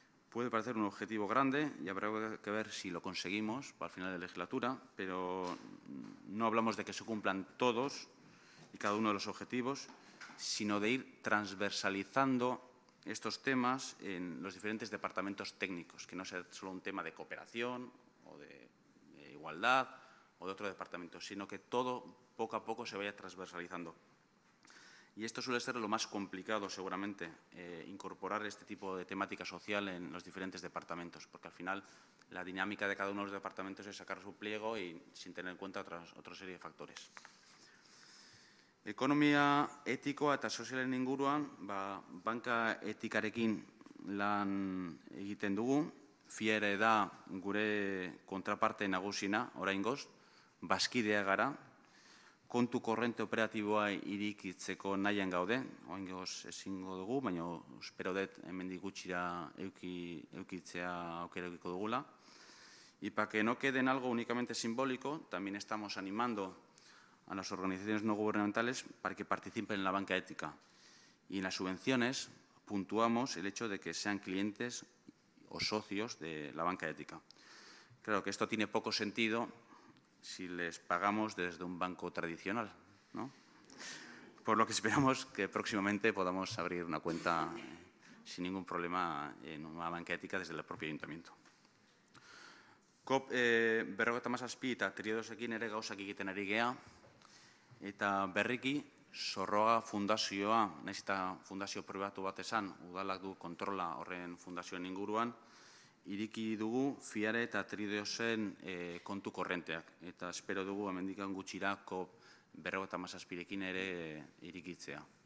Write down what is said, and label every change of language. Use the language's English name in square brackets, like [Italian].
[Spanish] Puede parecer un objetivo grande y habrá que ver si lo conseguimos para el final de la legislatura, pero no hablamos de que se cumplan todos y cada uno de los objetivos, sino de ir transversalizando estos temas en los diferentes departamentos técnicos, que no sea solo un tema de cooperación o de igualdad o de otro departamento, sino que todo poco a poco se vaya transversalizando. Y esto suele ser lo más complicado, seguramente, incorporar este tipo de temática social en los diferentes departamentos, porque al final la dinámica de cada uno de los departamentos es sacar su pliego y sin tener en cuenta otra serie de factores. [Basque] Ekonomia etikoa eta sozialen inguruan, ba, banka etikarekin lan egiten dugu. Fiere da gure kontraparte nagusina, oraingoz, bazkidea gara. Kontu korrente operatiboa irikitzeko nahian gaude, oraingoz ezingo dugu, baina espero dut hemendik gutxira eukitzea aukera edukiko dugula. [Spanish] Y para que no quede en algo únicamente simbólico, también estamos animando a las organizaciones no gubernamentales para que participen en la banca ética. Y en las subvenciones puntuamos el hecho de que sean clientes o socios de la banca ética. Claro que esto tiene poco sentido si les pagamos desde un banco tradicional, ¿no? Por lo que esperamos que próximamente podamos abrir una cuenta sin ningún problema en una banca ética desde el propio ayuntamiento. [Basque] COP 57, triodosekin ere gauzak egiten ari gea, eta berriki, zorroa fundazioa, nahiz eta fundazio pribatu bat esan, udalak du kontrola horren fundazioen inguruan, iriki dugu fiare eta triodosen kontu korrenteak, eta espero dugu hemendikan gutxira COP 57rekin ere irikitzea.